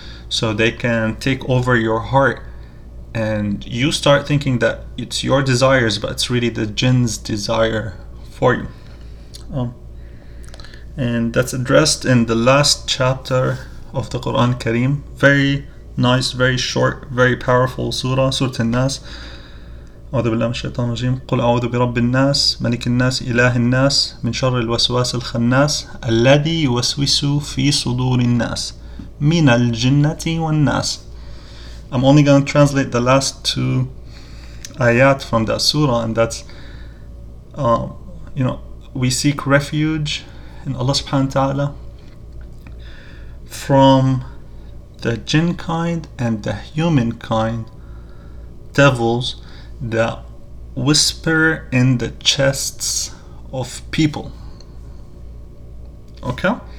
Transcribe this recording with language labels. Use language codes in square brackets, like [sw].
[en] So they can take over your heart and you start thinking that it's your desires, but it's really the jinn's desire for you. And that's addressed in the last chapter of the Quran Kareem. Very nice, very short, very powerful surah, Surah An-Nas. [ar] أعوذ بالله من الشيطان الرجيم قل أعوذ برب الناس ملك الناس إله الناس من شر الوسواس الخناس الذي يوسوس في صدور الناس من الجنة والناس. [en] I'm only going to translate the last 2 ayat from that surah, and that's, you know, we seek refuge in Allah subhanahu wa ta'ala from the jinn kind and the human kind devils that whisper in the chests of people. Okay?